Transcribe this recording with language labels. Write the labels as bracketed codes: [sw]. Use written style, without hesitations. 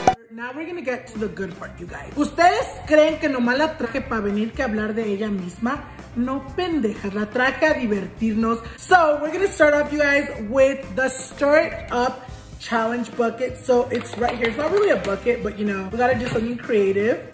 [en] Now we're gonna get to the good part, you guys. [es] ¿Ustedes creen que nomás la traje para venir que hablar de ella misma? No, pendejas, la traje a divertirnos. [en] So we're gonna start off, you guys, with the Start Up Challenge bucket. So it's right here. It's not really a bucket, but you know, we gotta do something creative.